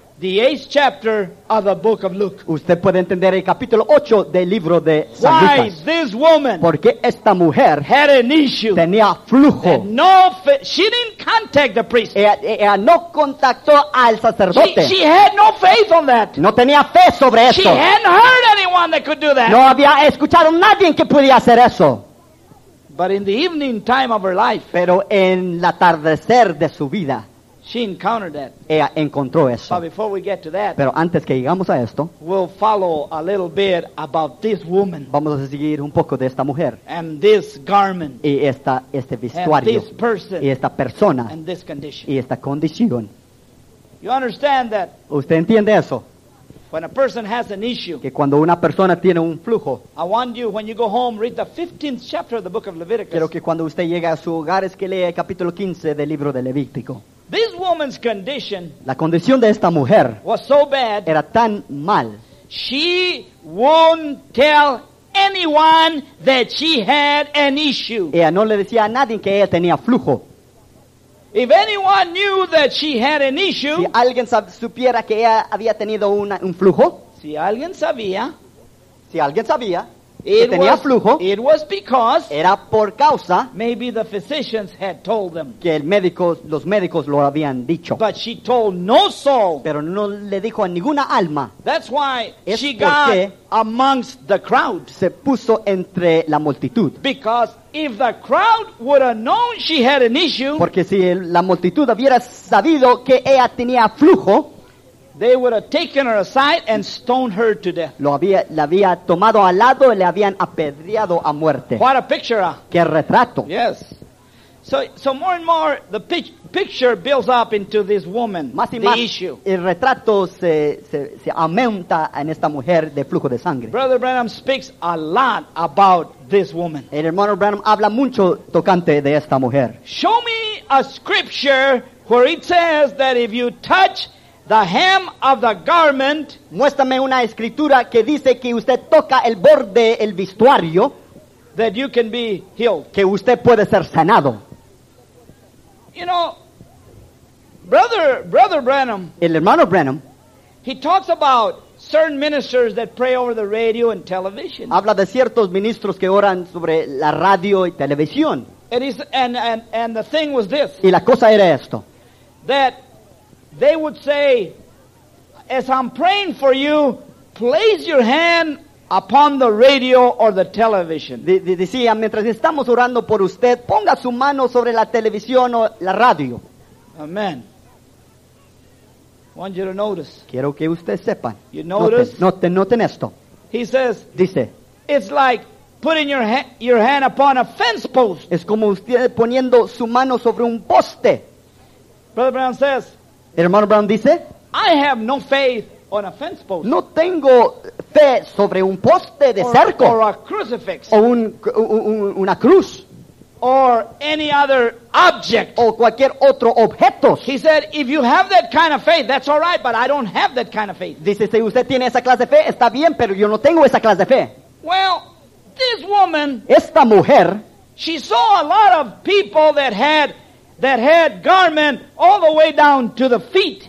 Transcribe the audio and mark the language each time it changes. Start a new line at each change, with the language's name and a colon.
English: the 8th chapter of the book of Luke.
Spanish: Usted puede entender el capítulo 8 del libro de San
English: Lucas. Why this woman?
Spanish: Porque esta mujer
English: had an issue.
Spanish: Tenía flujo.
English: No, she didn't contact the priest.
Spanish: Ella no contactó al sacerdote.
English: She had no faith on that.
Spanish: No tenía fe sobre eso.
English: She hadn't heard anyone that could do that.
Spanish: No había escuchado nadie que pudiera hacer eso.
English: But in the evening time of her life,
Spanish: pero en el atardecer de su vida,
English: she encountered that.
Spanish: Ella encontró eso.
English: But before we get to that,
Spanish: pero antes que llegamos a esto,
English: we'll follow a little bit about this woman.
Spanish: Vamos a seguir un poco de esta mujer.
English: And this garment.
Spanish: Y esta, este vestuario.
English: And this person.
Spanish: Y esta persona.
English: And this condition.
Spanish: Y esta condición.
English: You understand that?
Spanish: ¿Usted entiende eso?
English: When a person has an issue,
Spanish: que cuando una persona tiene un flujo,
English: I want you, when you go home, read the 15th chapter of the book of Leviticus.
Spanish: Quiero que cuando usted llegue a su hogar es que lea el capítulo 15 del libro de Levítico.
English: This woman's condition,
Spanish: la condición de esta mujer,
English: was so bad,
Spanish: era tan mal,
English: she won't tell anyone that she had an issue.
Spanish: Ella no le decía a nadie que ella tenía flujo.
English: If anyone knew that she had an issue,
Spanish: si alguien supiera que ella había tenido un flujo, si alguien sabía, que tenía flujo,
English: it was because,
Spanish: era por causa,
English: maybe the physicians had told them,
Spanish: que los médicos lo habían dicho,
English: but she told no soul,
Spanish: pero no le dijo a ninguna alma.
English: That's why she got amongst the crowd,
Spanish: se puso entre la multitud,
English: because if the crowd would have known she had an issue,
Spanish: porque si la multitud hubiera sabido que ella tenía flujo,
English: they would have taken her aside and stoned her to death.
Spanish: La había tomado al lado y le habían apedreado a muerte.
English: What a picture.
Spanish: Qué retrato.
English: Yes. So more and more the picture builds up into this woman,
Spanish: más y
English: the
Spanish: más
English: issue.
Spanish: El retrato se aumenta en esta mujer de flujo de sangre.
English: Brother Branham speaks a lot about this woman.
Spanish: El hermano Branham habla mucho tocante de esta mujer.
English: Show me a scripture where it says that if you touch the hem of the garment,
Spanish: muéstrame una escritura que dice que usted toca el borde del vestuario,
English: that you can be healed,
Spanish: que usted puede ser sanado.
English: You know, brother Branham,
Spanish: el hermano Branham,
English: he talks about certain ministers that pray over the radio and television.
Spanish: Habla de ciertos ministros que oran sobre la radio y televisión.
English: It is, and the thing was this.
Spanish: Y la cosa era esto.
English: That they would say, as I'm praying for you, place your hand upon the radio or the television.
Spanish: Decía, mientras estamos orando por usted, ponga su mano sobre la televisión o la radio.
English: Amen. I want you to notice.
Spanish: Quiero que usted sepa.
English: You notice.
Spanish: Noten esto.
English: He says,
Spanish: dice,
English: it's like putting your hand upon a fence post.
Spanish: Es como usted poniendo su mano sobre un poste.
English: Brother Brown says,
Spanish: hermano Brown dice,
English: I have no faith on a fence post.
Spanish: No tengo fe sobre un poste de cerco.
English: Or a crucifix.
Spanish: O una cruz.
English: Or any other object.
Spanish: O cualquier otro objeto.
English: He said, if you have that kind of faith, that's all right, but I don't have that kind of faith.
Spanish: Dice, si usted tiene esa clase de fe, está bien, pero yo no tengo esa clase de fe.
English: Well, this woman,
Spanish: esta mujer,
English: she saw a lot of people that had garment all the way down to the feet.